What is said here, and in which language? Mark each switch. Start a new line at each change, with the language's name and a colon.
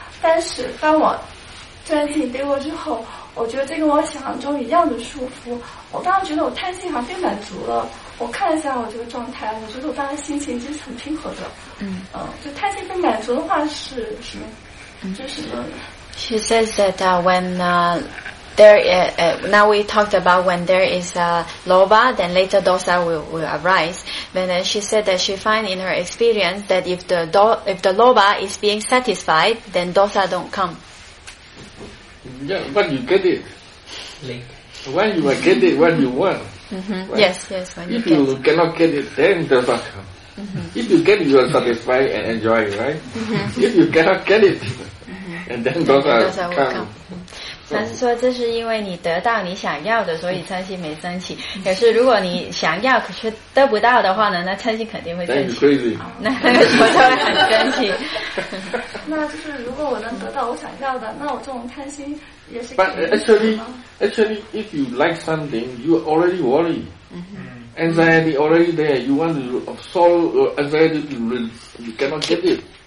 Chinese: 但是当我钻进被窝之后，我觉得这跟我想象中一样的舒服。我当时觉得我贪心好像被满足了。我看了一下我这个状态，我觉得我当时心情其实很平和的。就贪心被满足的话是什么？就是。
English: She says that now we talked about when there is a loba, then later dosa will arise. But then she said that she finds in her experience that if the loba is being satisfied, then dosa don't come. Yeah, but you get it. When you get it, when you want. Right? Yes, when you get it. If you cannot get it, then dosa come. Mm-hmm. If you get it, you are satisfied and enjoy, right? Mm-hmm. If you cannot get it... And then those are come.
Chinese: 他是说这是因为你得到你想要的，所以嗔心没升起。可是如果你想要可却得不到的话呢，那嗔心肯定会升起。
English: Crazy.
Chinese: 那个时候就会很生气。那就是如果我能得到我想要的，那我这种嗔心也是可以升起吗？
English: But actually, if you like something, you already worry. Mm-hmm. Anxiety already there. You want to absorb anxiety, you cannot get it.